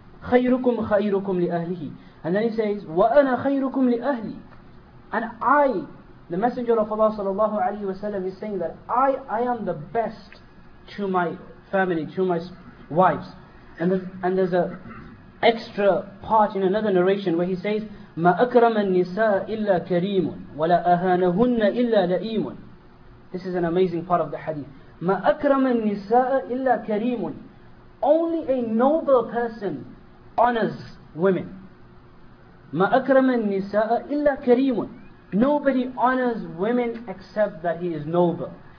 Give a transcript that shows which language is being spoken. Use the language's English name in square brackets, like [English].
[Arabic] خَيْرُكُمْ خَيْرُكُمْ لِأَهْلِهِ. [English] And then he says, [Arabic] وَأَنَا خَيْرُكُمْ لِأَهْلِي. [English] And I, the Messenger of Allah sallallahu alayhi wa sallam, is saying that I am the best to my family, to my wives. And there's a extra part in another narration where he says, [Arabic] مَا أَكْرَمَ النِّسَاءَ إِلَّا كَرِيمٌ وَلَا أَهَانَهُنَّ إِلَّا لَئِيمٌ. [English] This is an amazing part of the hadith. [Arabic] مَا أَكْرَمَ النِّسَاءَ إِلَّا كَرِيمٌ. [English] Only a noble person honors women. [Arabic] مَا أَكْرَمَ النِّسَاءَ إِلَّا كَرِيمٌ. [English] Nobody honors women except that he is noble.